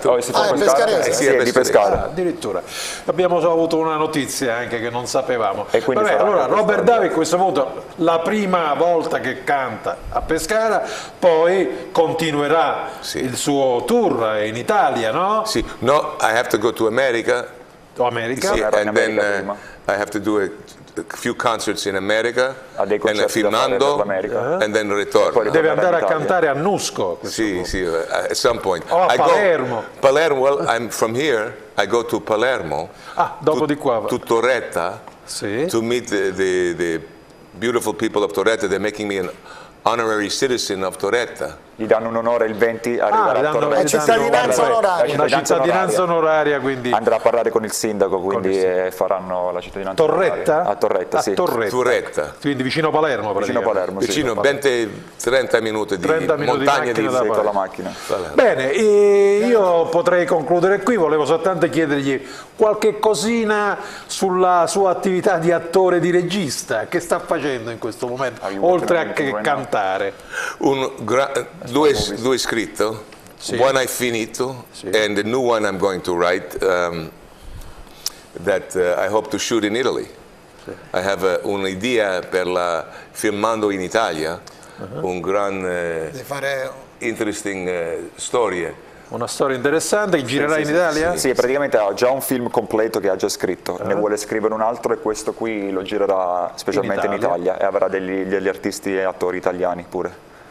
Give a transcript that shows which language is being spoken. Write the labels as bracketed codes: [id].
[it] È di Pescara. Ah, addirittura. Abbiamo avuto una notizia anche che non sapevamo. Allora, Robert Davi, a questo punto, la prima volta che canta a Pescara, poi continuerà il suo tour in Italia, no? Sì, no, [en] I have to go to America. To America? Sì, and then I have to do a few concerts in America. And Fernando, and then return. [it] Deve andare a cantare a Nusco. [en] Sì, sì, at some point. Oh, Palermo. Palermo, well, I'm from here. I go to Palermo. [it] Ah, dopo di qua. [en] To Torretta. Sì. To meet the beautiful people of Torretta. They're making me an honorary citizen of Torretta. [it] Gli danno un onore il 20 la cittadinanza onoraria. Una cittadinanza onoraria, quindi andrà a parlare con il sindaco, quindi faranno la cittadinanza Torretta? Onoraria. A Torretta. Quindi vicino Palermo, vicino 20-30 minuti di 30 montagna di con la macchina. Bene, io potrei concludere qui, volevo soltanto chiedergli qualche cosina sulla sua attività di attore, di regista, che sta facendo in questo momento, oltre a che cantare. Due scritto, sì. [en] One I [it] finito, sì. [en] And the new one I'm going to write that I hope to shoot in Italy. [it] Sì. [en] I have [it] un'idea per la filmando in Italia, un gran [en] interesting [it] storia. Una storia interessante che girerà in Italia? Sì, praticamente ha già un film completo che ha già scritto, ne vuole scrivere un altro e questo qui lo girerà specialmente in Italia e avrà degli artisti e attori italiani pure.